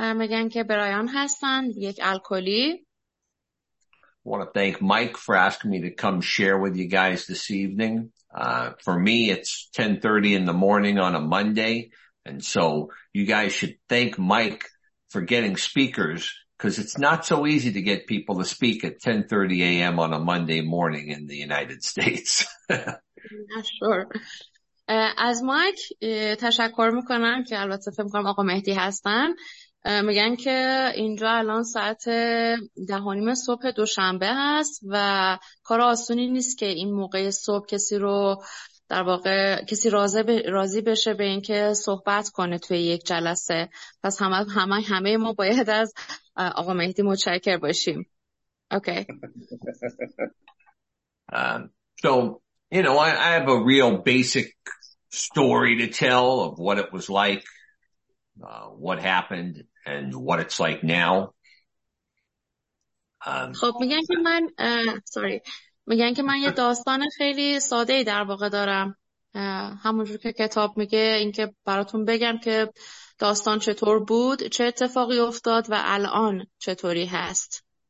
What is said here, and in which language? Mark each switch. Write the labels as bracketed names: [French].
[Persian] میگن که برایان هستن، یک الکلی. [English] I want to thank Mike for asking me to come share with you guys this evening. For me, it's 10:30 in the morning on a Monday. And so you guys should thank Mike for getting speakers, because it's not so easy to get people to speak at 10:30 a.m. on a Monday morning in the United States. Yeah, sure. [Persian] از مایک تشکر میکنم که البته فکر میکنم آقا مهدی هستن. میگن که اینجا الان ساعت 10:30 صبح دوشنبه هست و کار آسونی نیست که این موقع صبح کسی رو در واقع کسی راضی بشه به اینکه صحبت کنه توی یک جلسه. پس همه ما باید از آقا مهدی متشکر باشیم. اوکی. [English] So, you know, I have a real basic story to tell of what it was like, what happened and what it's like now. [Persian] خب میگن که من میگن که من یه داستان خیلی ساده‌ای در واقع دارم، همونجور که کتاب میگه، اینکه براتون بگم که داستان چطور بود، چه اتفاقی افتاد و الان چطوری هست.